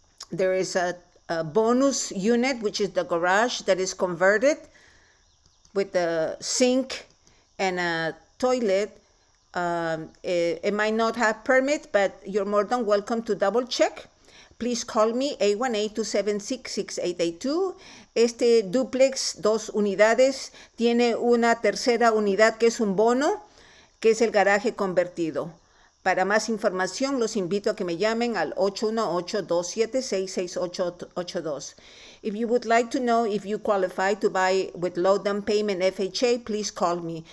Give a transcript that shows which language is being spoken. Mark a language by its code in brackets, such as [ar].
[en] There is a bonus unit, which is the garage, that is converted with a sink and a toilet. It might not have permit, but you're more than welcome to double check. Please call me, 818-276-6882. [es] Este duplex, 2 unidades, tiene una tercera unidad que es un bono, que es el garaje convertido. Para más información, los invito a que me llamen al 818-276-6882. [en] If you would like to know if you qualify to buy with low down payment FHA, please call me.